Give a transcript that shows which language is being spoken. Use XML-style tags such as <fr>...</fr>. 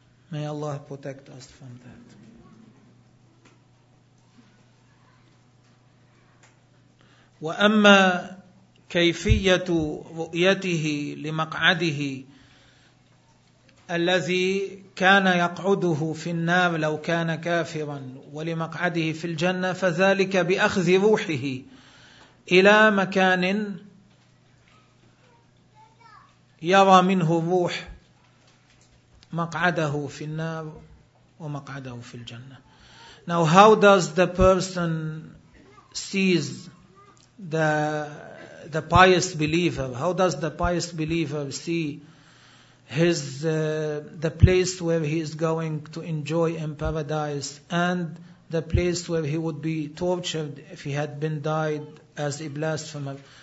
<en>May Allah protect us from that.</en> <ar>وأما كيفية رؤيته لمقعده الذي كان يقعده في النار لو كان كافرا ولمقعده في الجنة، فذلك بأخذ روحه إلى مكان يرى منه روح مقعده في النار ومقعده في الجنة.</ar> <en>Now how does the person sees the pious believer? How does the pious believer see the place where he is going to enjoy in paradise and the place where he would be tortured if he had been died as a blasphemer?</en>